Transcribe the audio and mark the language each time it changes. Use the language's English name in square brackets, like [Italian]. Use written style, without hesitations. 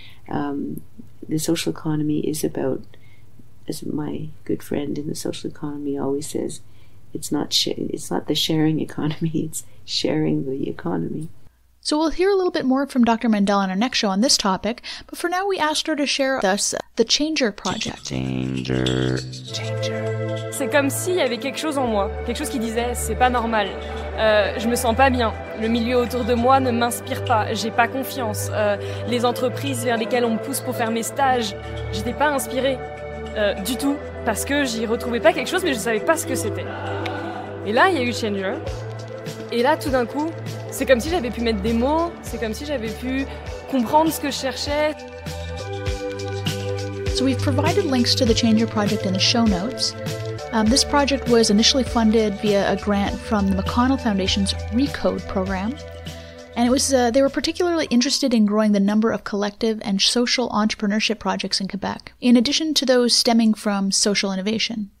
[English] The social economy is about, as my good friend in the social economy always says, it's not the sharing economy, it's sharing the economy. So we'll hear a little bit more from Dr. Mendell on our next show on this topic, but for now we asked her to share with us the Changer Project. Changer. [French] C'est comme s'il y avait quelque chose en moi, quelque chose qui disait c'est pas normal, je me sens pas bien, le milieu autour de moi ne m'inspire pas, j'ai pas confiance, les entreprises vers lesquelles on me pousse pour faire mes stages, j'étais pas inspirée. Du tout, parce que j'y retrouvais pas quelque chose, mais je savais pas ce que c'était. Et là, il y a eu Changer. Et là, tout d'un coup, c'est comme si j'avais pu mettre des mots, c'est comme si j'avais pu comprendre ce que je cherchais. [English] So we've provided links to the Changer project in the show notes. This project was initially funded via a grant from the McConnell Foundation's Recode program. And it was they were particularly interested in growing the number of collective and social entrepreneurship projects in Quebec, in addition to those stemming from social innovation.